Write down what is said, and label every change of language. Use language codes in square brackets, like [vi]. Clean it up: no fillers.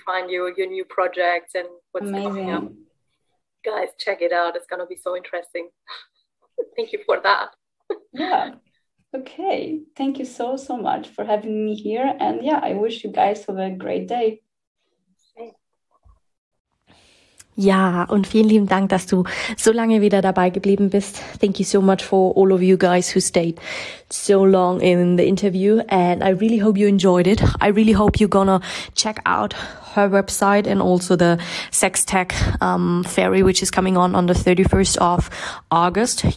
[en] find your new projects and what's coming up. Amazing. Guys, check it out. It's gonna be so interesting. Thank you for that. Yeah. Okay. Thank you so much for having me here. And yeah, I wish you guys have a great day. [de] Ja, und vielen lieben Dank, dass du so lange wieder dabei geblieben bist. [en] Thank you so much for all of you guys who stayed so long in the interview. And I really hope you enjoyed it. I really hope you're gonna check out her website and also the Sex Tech Fairy, which is coming on the 31st of August.